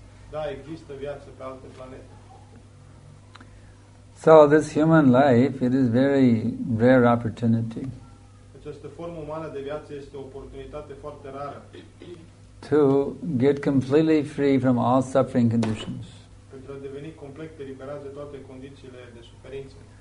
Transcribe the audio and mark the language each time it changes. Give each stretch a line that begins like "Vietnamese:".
Romanian: Da, există viață pe alte planete.
English: So this human life, it is a very rare opportunity.
Romanian: Această formă umană de viață este o oportunitate foarte rară.
English: To get completely free from all suffering conditions.
Romanian: Pentru a deveni complet eliberat de toate condițiile de suferință.